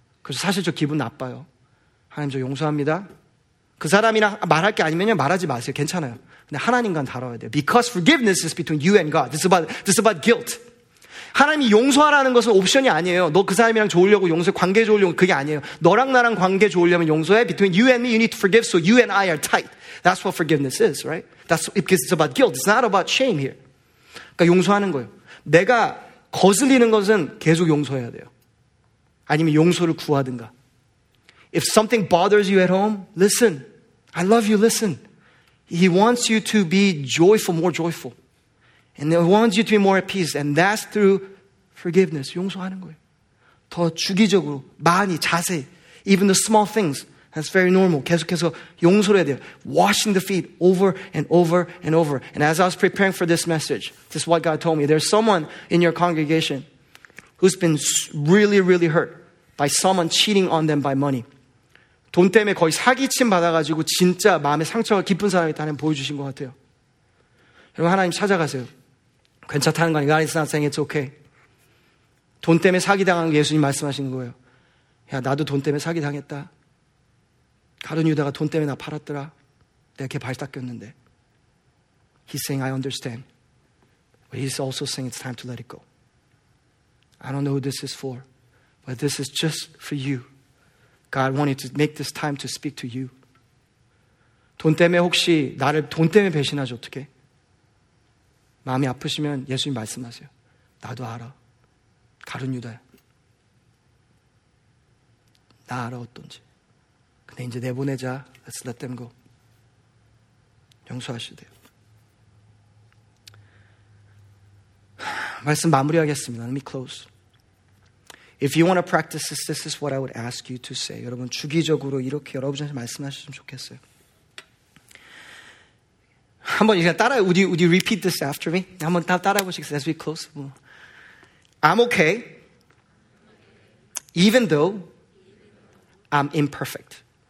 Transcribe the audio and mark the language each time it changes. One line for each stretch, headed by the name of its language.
Korean: 그래서 사실 저 기분 나빠요. 하나님 저 용서합니다. 그 사람이나 말할 게 아니면 말하지 마세요. 괜찮아요. 근데 하나님과 다뤄야 돼요.
English: Because forgiveness is between you and God. This is about guilt.
Korean: 하나님이 용서하라는 것은 옵션이 아니에요. 너 그 사람이랑 좋으려고 용서해, 관계 좋으려고 그게 아니에요. 너랑 나랑 관계 좋으려면 용서해.
English: Between you and me, you need to forgive so you and I are tight. That's what forgiveness is, right? That's because it's about guilt. It's not about shame here.
Korean: 그러니까 용서하는 거예요. 내가 거슬리는 것은 계속 용서해야 돼요. 아니면 용서를 구하든가.
English: If something bothers you at home, listen. I love you, listen. He wants you to be joyful, more joyful. And he wants you to be more at peace. And that's through forgiveness.
Korean: 용서하는 거예요. 더 주기적으로, 많이, 자세히.
English: Even the small things. That's very normal.
Korean: 계속해서 용서를 해야 돼요.
English: Washing the feet over and over and over. And as I was preparing for this message, this is what God told me. There's someone in your congregation who's been really, really hurt by someone cheating on them by money.
Korean: 돈 때문에 거의 사기침 받아가지고 진짜 마음에 상처가 깊은 사람이 있다는 보여주신 것 같아요. 여러분 하나님 찾아가세요. 괜찮다는 거 아니에요.
English: God is not saying it's okay.
Korean: 돈 때문에 사기당한 게 예수님 말씀하신 거예요. 야 나도 돈 때문에 사기당했다. 가룟 유다가 돈 때문에 나 팔았더라. 내가 걔 발 닦였는데.
English: He's saying I understand. But he's also saying it's time to let it go. I don't know who this is for. But this is just for you. God wanted to make this time to speak to you.
Korean: 돈 때문에 혹시 나를 돈 때문에 배신하지 어떡해? 마음이 아프시면 예수님 말씀하세요. 나도 알아. 가룟 유다야. 나 알아 어떤지. 근데 이제 내보내자.
English: Let's let them go.
Korean: 용서하시대요. 말씀 마무리하겠습니다.
English: Let me close. If you want to practice this, this is what I would ask you to say.
Korean: 여러분 주기적으로 이렇게 여러분한테 말씀하셨으면 좋겠어요. 한번 이제 따라
English: would you repeat this after me?
Korean: 한번 다 따라 보시겠어요?
English: As we close. I'm okay, even though I'm imperfect.